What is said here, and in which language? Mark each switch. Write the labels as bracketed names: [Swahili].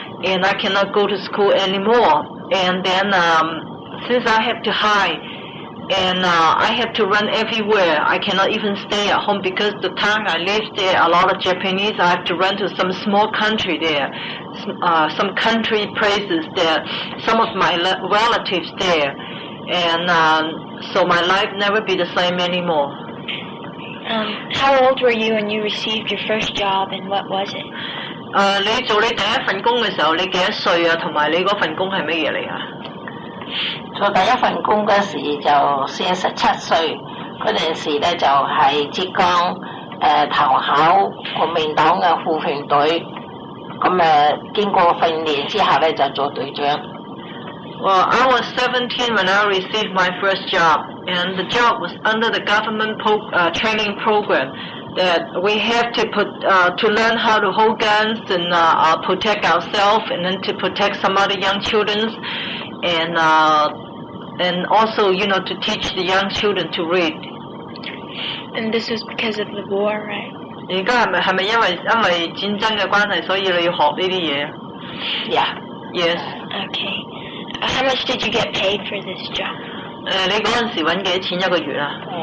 [English] And I cannot go to school anymore. And then, since I have to hide, and I have to run everywhere, I cannot even stay at home because the town I live there, a lot of Japanese, I have to run to some small country there, some country places there, some of my relatives there. And so my life never be the same anymore. How old were you when you received your first job and what was it? [Cantonese] 你做你第一份工嘅时候，你几多岁啊？同埋你嗰份工系乜嘢嚟啊？做第一份工嗰时就47岁，嗰阵时咧就系浙江投考国民党嘅护训队，咁经过训练之后咧就做队长。 [English] Well, I was 17 when I received my first job, and the job was under the government training program. That we have to to learn how to hold guns and protect ourselves, and then to protect some other young children, and also you know to teach the young children to read. And this was because of the war, right? [Cantonese] 而家系咪因为战争嘅关系，所以你要学呢啲嘢 [English] ？Yeah. Yes. Okay. How much did you get paid for this job? [Cantonese] 你嗰阵时搵几多钱一个月啊？